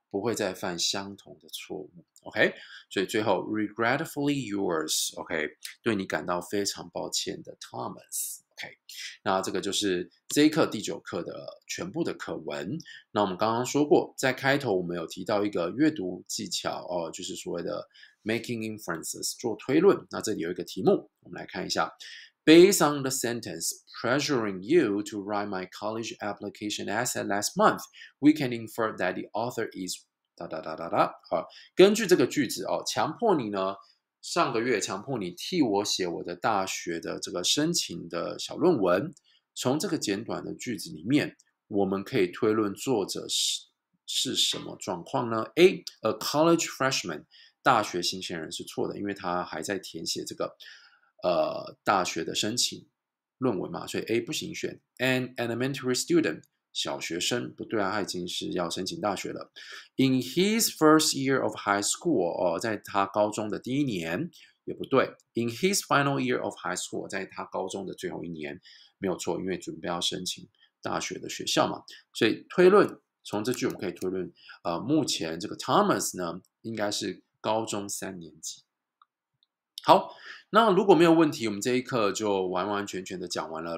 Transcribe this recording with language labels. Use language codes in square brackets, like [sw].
[zh] 不会再犯相同的错误 ，OK？ 所以最后 ， [en] regretfully yours， [zh] OK？、Okay? 对你感到非常抱歉的 Thomas，OK？、Okay? 那这个就是这一课第九课的全部的课文。那我们刚刚说过，在开头我们有提到一个阅读技巧哦，就是所谓的 [en] making inferences [zh] 做推论。那这里有一个题目，我们来看一下 [en] ，Based on the sentence pressuring you to write my college application essay last month, we can infer that the author is 哒哒哒哒哒。 [zh] 好，根据这个句子哦，强迫你呢，上个月强迫你替我写我的大学的这个申请的小论文。从这个简短的句子里面，我们可以推论作者是什么状况呢 ？A, [en] a college freshman, [zh] 大学新鲜人是错的，因为他还在填写这个大学的申请。论文嘛，所以 A 不行选。 [en] An elementary student [zh] 小学生不对啊，他已经是要申请大学了。 [en] In his first year of high school [zh] 哦，在他高中的第一年也不对。 [en] In his final year of high school [zh] 在他高中的最后一年没有错，因为准备要申请大学的学校嘛。所以推论从这句我们可以推论，目前这个 Thomas 呢应该是高中三年级。好，那如果没有问题，我们这一课就完完全全的讲完了。